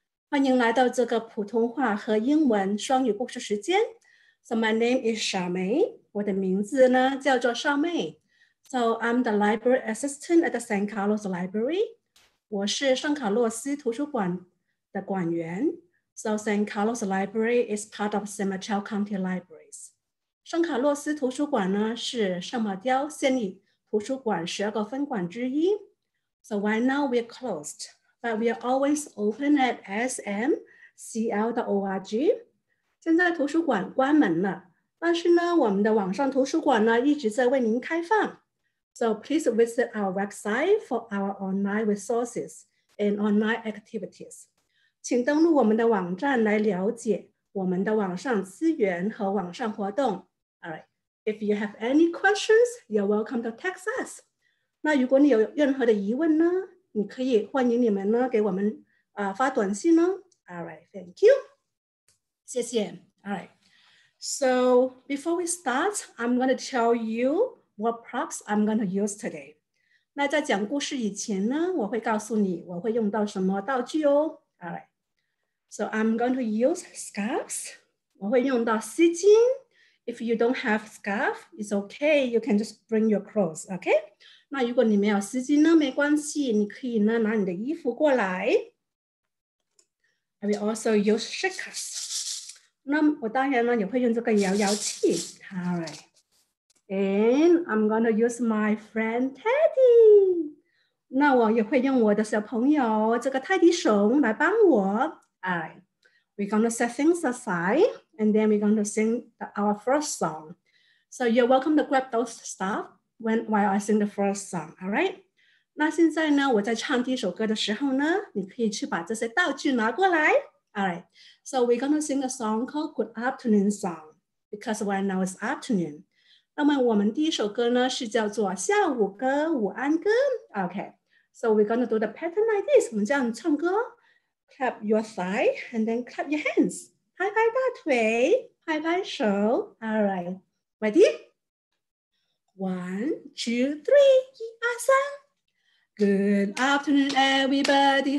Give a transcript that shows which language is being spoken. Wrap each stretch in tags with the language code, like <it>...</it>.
<zh>欢迎来到这个普通话和英文双语故事时间。</zh> <en>So my name is Shao Mei.</en> <zh>我的名字呢叫做少媚。</zh> <en>So I'm the library assistant at the San Carlos Library.</en> <zh>我是圣卡洛斯图书馆的馆员。</zh> <en>So San Carlos Library is part of San Mateo County Libraries.</en> <zh>圣卡洛斯图书馆呢是圣马雕县立图书馆十二个分馆之一。</zh> <en>So right now we're closed, but we're always open at smcl.org.</en> <zh>现在图书馆关门了，但是呢，我们的网上图书馆呢一直在为您开放。</zh> <en>So please visit our website for our online resources and online activities.</en> <zh>请登录我们的网站来了解我们的网上资源和网上活动。</zh> <en>All right. If you have any questions, you're welcome to text us.</en> <zh>那如果你有任何的疑问呢，你可以欢迎你们呢给我们发短信哦。</zh> <en>All right. Thank you.</en> <zh>谢谢。</zh> <en>All right. So before we start, I'm going to tell you what props I'm going to use today.</en> <zh>那在讲故事以前呢，我会告诉你我会用到什么道具哦。</zh> <en>All right. So I'm going to use scarves.</en> <zh>我会用到丝巾。</zh> <en>If you don't have scarf, it's okay. You can just bring your clothes, okay?</en> <zh>那如果你没有丝巾呢，没关系，你可以呢拿你的衣服过来。</zh> <en>I will also use shakers.</en> <zh>那我当然呢也会用这个摇摇器。</zh> <en>All right. And I'm going to use my friend Teddy.</en> <zh>那我也会用我的小朋友这个泰迪熊来帮我。</zh> <en>All right. We're going to set things aside. And then we're going to sing our first song. So you're welcome to grab those stuff while I sing the first song, all right?</en> <zh>那现在呢，我在唱第一首歌的时候呢，你可以去把这些道具拿过来。</zh> <en>All right, so we're going to sing a song called Good Afternoon Song because right now it's afternoon.</en> <zh>那么我们第一首歌呢，是叫做下午歌，午安歌。</zh> <en>Okay, so we're going to do the pattern like this.</en> <zh>我们这样唱歌。</zh> <en>Clap your thigh and then clap your hands.</en> <zh>拍拍大腿，拍拍手。</zh> <en>All right, ready? One, two, three,</en> <zh>一二三。</zh> <en>Good afternoon, everybody.</en>